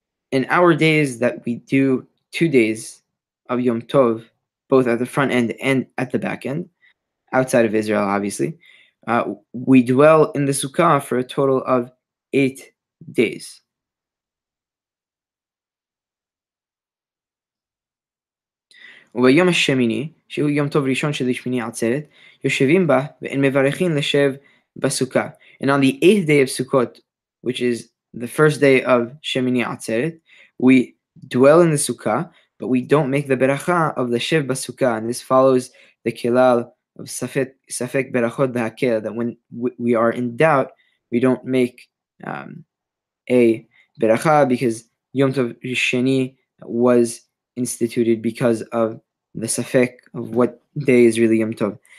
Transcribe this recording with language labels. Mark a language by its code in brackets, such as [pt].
[en] In our days that we do 2 days of Yom Tov, both at the front end and at the back end, outside of Israel, obviously, we dwell in the sukkah for a total of 8 days. [he] וביום השמיני, שהוא יום טוב ראשון של השמיני עצרת, יושבים בה ואין מברכים לשב בסוכה. [en] And on the 8th day of Sukkot, which is the first day of Shemini Atzeret, we dwell in the Sukkah, but we don't make the beracha of leshev basukah. And this follows the kelal of safek berachot b'hakel, that when we are in doubt, we don't make a beracha, because Yom Tov Sheni was instituted because of the safek of what day is really Yom Tov.